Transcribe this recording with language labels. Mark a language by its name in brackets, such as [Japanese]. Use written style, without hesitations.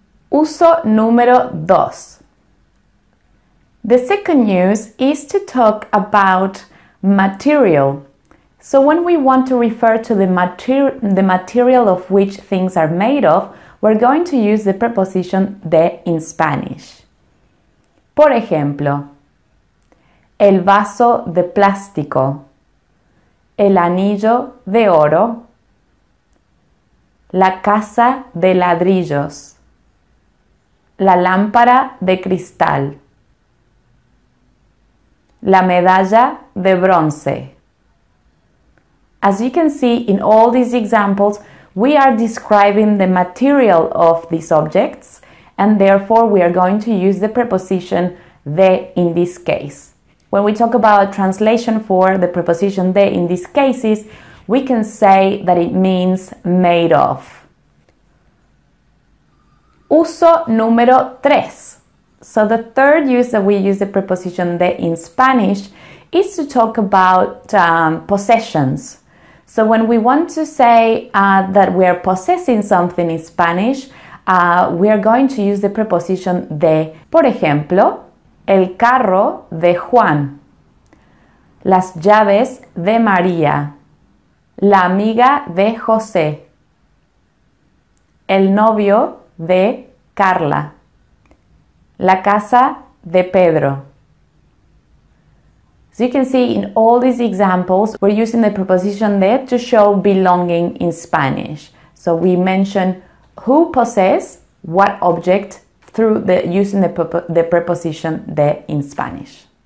[Spanish] Uso número dos. [English] The second use is to talk about material. So when we want to refer to the material of which things are made of, we're going to use the preposition de in Spanish. [Spanish] Por ejemplo, el vaso de plástico, el anillo de oro, la casa de ladrillos, la lámpara de cristal, la medalla de bronce. [English] As you can see, in all these examples, we are describing the material of these objects, and therefore we are going to use the preposition de in this case. When we talk about a translation for the preposition de in these cases, we can say that it means made of. [Spanish] Uso número tres. [English] So the third use that we use the preposition de in Spanish is to talk about possessions. So when we want to say that we are possessing something in Spanish, we are going to use the preposition de. [Spanish] Por ejemplo, el carro de Juan, las llaves de María, la amiga de José, el novio de Carla, la casa de Pedro. [English] So you can see in all these examples, we're using the preposition de to show belonging in Spanish. So we mention who possess what object through using the preposition de in Spanish.